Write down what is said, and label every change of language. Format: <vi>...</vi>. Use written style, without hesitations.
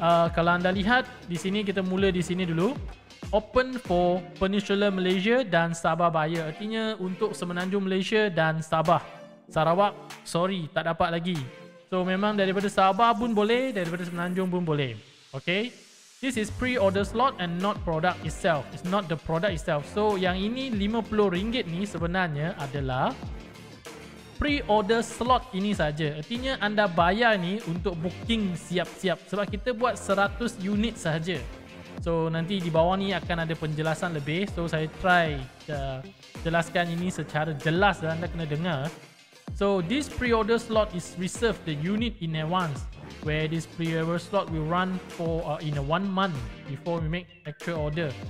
<ms>Kalau anda lihat di sini, kita mula di sini dulu.</ms> <en>Open for Peninsula Malaysia</en> <ms>dan Sabah Baya. Artinya untuk Semenanjung Malaysia dan Sabah. Sarawak, sorry, tak dapat lagi. So memang daripada Sabah pun boleh, daripada Semenanjung pun boleh. Okay.</ms> <en>This is pre-order slot and not product itself. It's not the product itself.</en> <ms>So yang ini RM50 ni sebenarnya adalah pre-order slot ini saja. Artinya anda bayar ni untuk booking siap-siap. Sebab kita buat 100 unit saja. So nanti di bawah ni akan ada penjelasan lebih. So saya try jelaskan ini secara jelas dan anda kena dengar.</ms> <en>So this pre-order slot is reserved the unit in advance, where this pre-order slot will run for in a 1 month before we make actual order.</en>